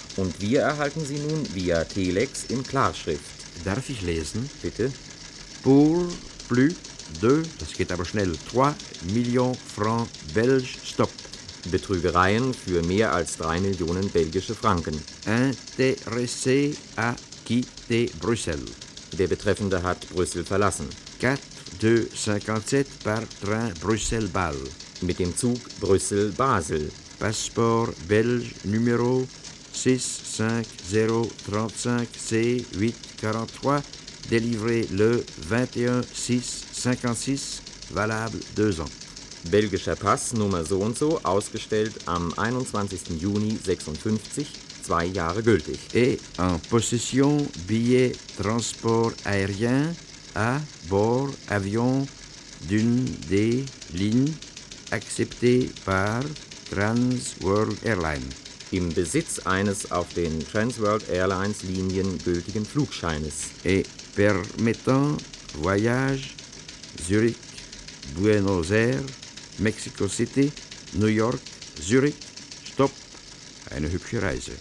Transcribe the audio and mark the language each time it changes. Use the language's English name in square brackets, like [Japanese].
[German] Und wir erhalten sie nun via Telex in Klarschrift. Darf ich lesen? Bitte. [French] Pour plus de, [German] das geht aber schnell, 3 Millionen Francs Belge, stop. Betrügereien für mehr als 3 Millionen belgische Franken. [French] Intéressé à quitter Bruxelles. [German] Der Betreffende hat Brüssel verlassen. [French] 4,57 par train Brüssel-Bâle. [German] Mit dem Zug Brüssel-Basel. [French] Passport Belge numéro 650 35 C 843, délivré le 21-6-56, valable 2 ans. [German] Belgischer Pass, Nummer so und so, ausgestellt am 21. Juni 56, 2 Jahre gültig. [French] Et en possession billet transport aérien à bord avion d'une des lignes acceptées par Transworld Airlines. [German] Im Besitz eines auf den Transworld Airlines Linien gültigen Flugscheines. [French] Et permettant voyage Zurich, Buenos Aires, Mexico City, New York, Zurich, stopp. [German] Eine hübsche Reise.